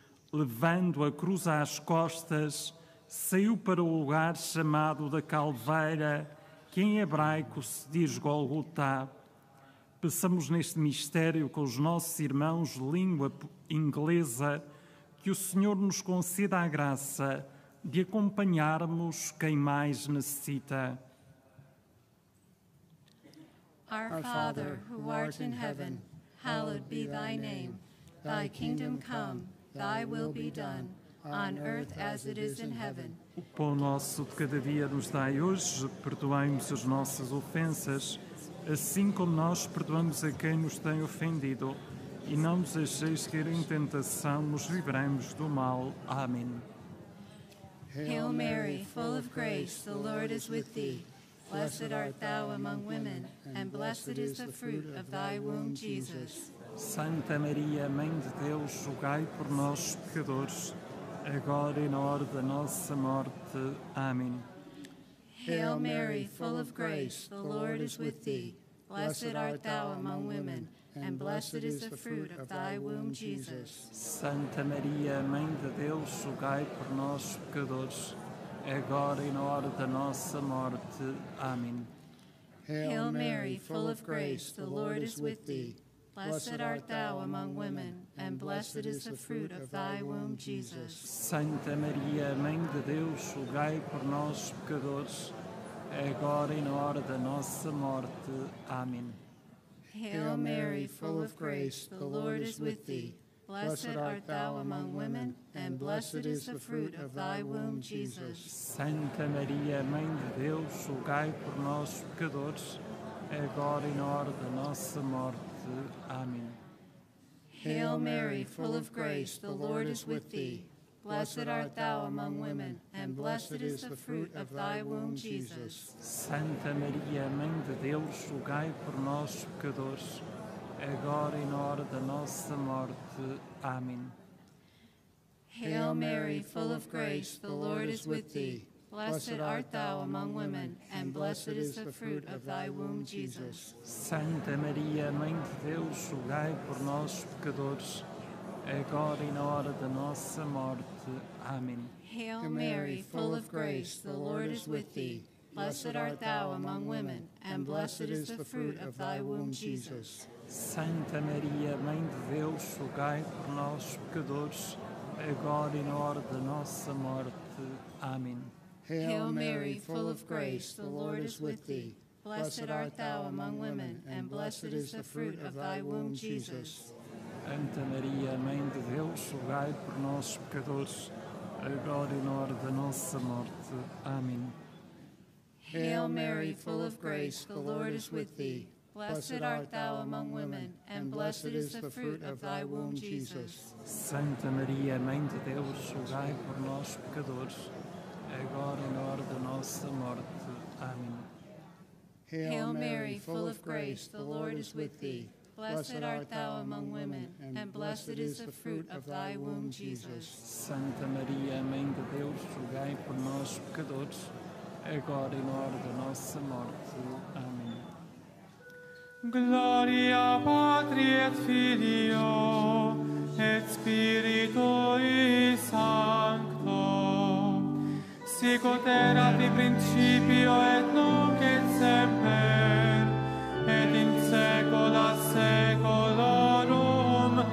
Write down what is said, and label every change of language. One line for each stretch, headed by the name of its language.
Portuguese: Levando a cruz às costas, saiu para o lugar chamado da Calvária, que em hebraico se diz Golgotá. Peçamos neste mistério com os nossos irmãos de língua inglesa que o Senhor nos conceda a graça de acompanharmos quem mais necessita.
English: Our Father, who art in heaven, hallowed be thy name. Thy kingdom come, thy will be done, on earth as it is in heaven.
Portuguese: O pão nosso de cada dia nos dai hoje, perdoai-nos as nossas ofensas, assim como nós perdoamos a quem nos tem ofendido. E não nos deixeis cair em tentação, nos livremos do mal. Amém.
English: Hail Mary, full of grace, the Lord is with thee. Blessed art thou among women, and blessed is the fruit of thy womb, Jesus.
Portuguese: Santa Maria, Mãe de Deus, rogai por nós, pecadores, agora e na hora da nossa morte. Amém.
English: Hail Mary, full of grace, the Lord is with thee. Blessed art thou among women, and blessed is the fruit of thy womb, Jesus.
Portuguese: Santa Maria, Mãe de Deus, rogai por nós, pecadores, agora e na hora da nossa morte. Amém.
English: Hail Mary, full of grace, the Lord is with thee. Blessed art thou among women, and blessed is the fruit of thy womb, Jesus.
Portuguese: Santa Maria, Mãe de Deus, rogai por nós, pecadores, agora e na hora da nossa morte. Amém.
English: Hail Mary, full of grace, the Lord is with thee. Blessed art thou among women, and blessed is the fruit of thy womb, Jesus.
Portuguese: Santa Maria, Mãe de Deus, rogai por nós, pecadores, agora e na hora da nossa morte. Amém.
English: Hail Mary, full of grace, the Lord is with thee. Blessed art thou among women, and blessed is the fruit of thy womb, Jesus.
Portuguese: Santa Maria, Mãe de Deus, rogai por nós, pecadores, agora e na hora da nossa morte. Amém.
English: Hail Mary, full of grace, the Lord is with thee. Blessed art thou among women, and blessed is the fruit of thy womb, Jesus.
Portuguese: Santa Maria, Mãe de Deus, rogai por nós, pecadores, agora e na hora da nossa morte. Amém.
English: Hail Mary, full of grace, the Lord is with thee. Blessed art thou among women, and blessed is the fruit of thy womb, Jesus.
Portuguese: Santa Maria, Mãe de Deus, rogai por nós, pecadores, agora e na hora da nossa morte. Amém.
English: Hail Mary, full of grace, the Lord is with thee. Blessed art thou among women, and blessed is the fruit of thy womb, Jesus.
Portuguese: Santa Maria, Mãe de Deus, rogai por nós, pecadores, agora e na hora da nossa morte. Amém.
English: Hail Mary, full of grace, the Lord is with thee. Blessed art thou among women, and blessed is the fruit of thy womb, Jesus.
Portuguese: Santa Maria, Mãe de Deus, rogai por nós, pecadores, agora e na hora da nossa morte. Amém.
English: Hail Mary, full of grace, the Lord is with thee. Blessed art thou among women, and blessed is the fruit of thy womb, Jesus.
Portuguese: Santa Maria, Mãe de Deus, rogai por nós, pecadores, agora e na hora da nossa morte. Amém.
Latin: Glória, Patri et Filio, et Spiritui Sancto, sicut erat in principio, et nunc et semper, et in saecula saeculorum.